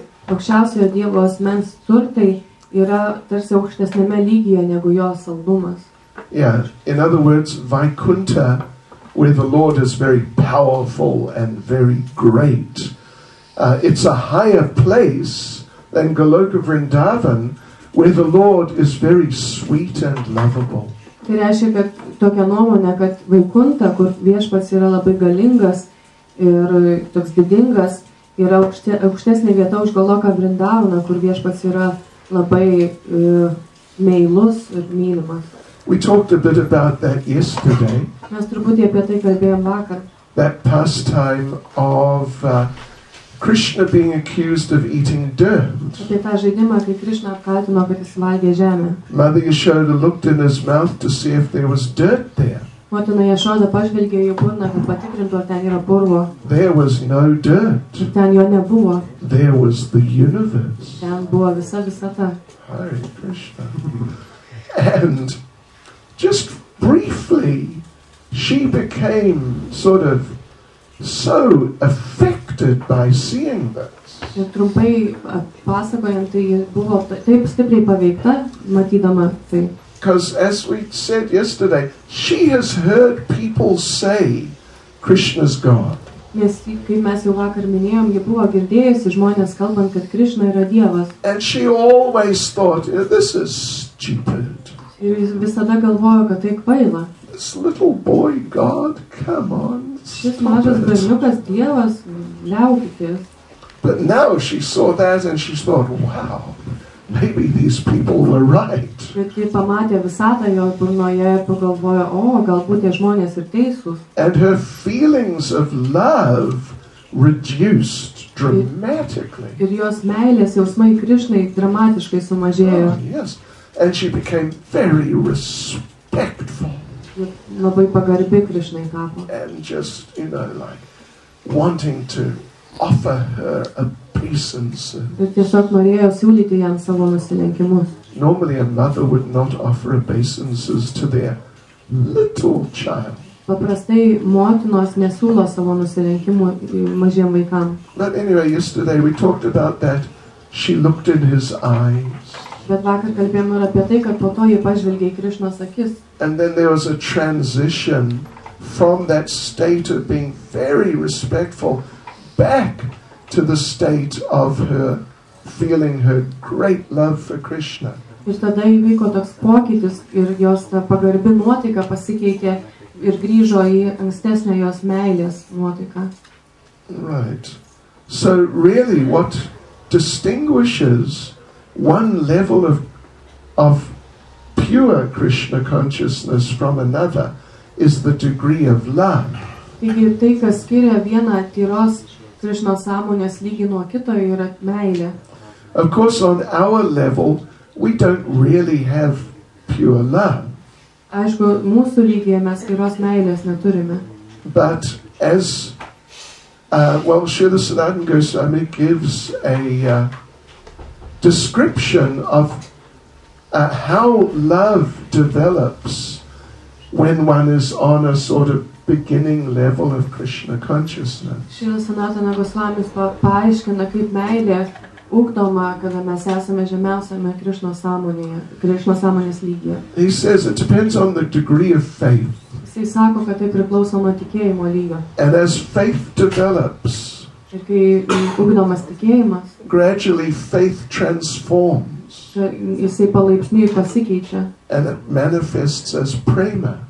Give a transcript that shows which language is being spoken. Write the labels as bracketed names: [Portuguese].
[Lithuanian] Aukščiausiojo Dievo asmens turtai yra tarsi aukštesnėme lygyje negu jo saldumas. [English] Yeah, in other words, Vaikunta, where the Lord is very powerful and very great, it's a higher place than Goloka Vrindavan, where the Lord is very sweet and lovable. [Lithuanian] Tai reiškia, kad tokia nuomonė, kad Vaikunta, kur viešpats yra labai galingas ir toks didingas, yra aukštesnė vieta už Goloka Vrindavaną, kur viešpats yra labai meilus ir mylimas. [English] We talked a bit about that yesterday. [Lithuanian] Mes truputį apie tai kalbėjom vakar. [English] That pastime of Krishna being accused of eating dirt. [Lithuanian] Apie tą žaidimą, kai Krishna apkaltino, kad jis valgė žemę. [English] Mother Yashoda looked in his mouth to see if there was dirt there. [Lithuanian] Motina Yashoda pažvelgė į burną, kad patikrintų, ar ten yra purvo. [English] There was no dirt. [Lithuanian] Ir ten jo nebuvo. [English] There was the universe. [Lithuanian] Ten buvo visa visata. [English] Hare Krishna. And just briefly, she became sort of so affected by seeing this. [Lithuanian] Ir trumpai pasakojant, tai buvo taip stipriai paveikta, matydama tai. [English] Because as we said yesterday, she has heard people say Krishna's God. [Lithuanian] Nes kaip mes jau vakar minėjom, ji buvo girdėjusi žmonės kalbant, kad Krishna yra Dievas. [English] And she always thought, this is stupid. [Lithuanian] Ir jis visada galvojo, kad tai kvaila. [English] This little boy, God, come on, [Lithuanian] šis mažas berniukas, Dievas, liaukitės. [English] But now she saw that and she thought, wow, maybe these people were right. [Lithuanian] Bet ji pamatė visatą jo burnoje ir pagalvojo, o, galbūt tie žmonės ir teisūs. [English] And her feelings of love reduced dramatically. [Lithuanian] Ir jos meilės jausmai Krishnai dramatiškai sumažėjo. [English] Oh, yes. And she became very respectful. [Lithuanian] Labai pagarbi Krishnai tapo. [English] And just, you know, like wanting to offer her obeisance. [Lithuanian] Ir tiesiog norėjo siūlyti jam savo nusilenkimus. [English] Normally a mother would not offer obeisances to their little child. [Lithuanian] Paprastai motinos nesiūlo savo nusilenkimų mažiem vaikam. [English] But anyway, yesterday we talked about that. She looked in his eyes. [Lithuanian] Bet vakar kalbėjome ir apie tai, kad po to jį pažvelgė į Krišnos akis. [English] And then there was a transition from that state of being very respectful back to the state of her feeling her great love for Krishna. [Lithuanian] Ir tada įvyko toks pokytis ir jos ta pagarbi nuotaika pasikeitė ir grįžo į ankstesnę jos meilės nuotaiką. [English] Right. So really what distinguishes one level of pure Krishna consciousness from another is the degree of love. [Lithuanian] Taigi tai, kas skiria vieną tyros Krishna sąmonės lygį nuo kito, yra meilė. [English] Of course, on our level, we don't really have pure love. [Lithuanian] Aišku, mūsų lygyje mes tyros meilės neturime. [English] But as, well, Srila Sanatana Goswami gives a description of how love develops when one is on a sort of beginning level of Krishna consciousness. [Lithuanian] Srila Sanatana Goswami paaiškina, kaip meilė ugdoma, kada mes esame žemiausiame Krishna sąmonėje, Krishna sąmonės lygyje. [English] He says it depends on the degree of faith. [Lithuanian] Jis sako, kad tai priklauso nuo tikėjimo lygio. [English] And as faith develops, [Lithuanian] ir kai ugdomas tikėjimas, [English] gradually faith transforms. [Lithuanian] Jisai palaipsniui pasikeičia. [English] And it manifests as prema.